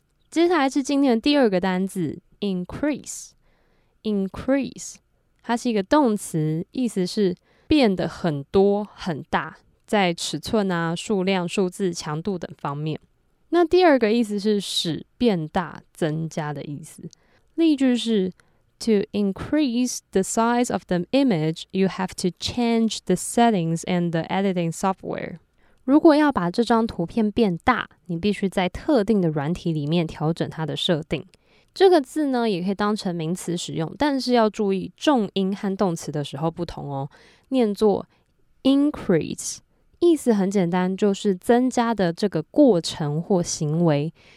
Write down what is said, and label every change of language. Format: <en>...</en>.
<zh>接下来是今天的第二个单字 increase。 increase 它是一个动词，意思是变得很多很大，在尺寸啊、数量、数字、强度等方面。那第二个意思是使变大、增加的意思。例句是</zh> <en>To increase the size of the image, you have to change the settings and the editing software.</en> <zh>如果要把这张图片变大，你必须在特定的软体里面调整它的设定。这个字呢，也可以当成名词使用，但是要注意重音和动词的时候不同哦。念作 increase。意思很简单，就是增加的这个过程或行为。</zh>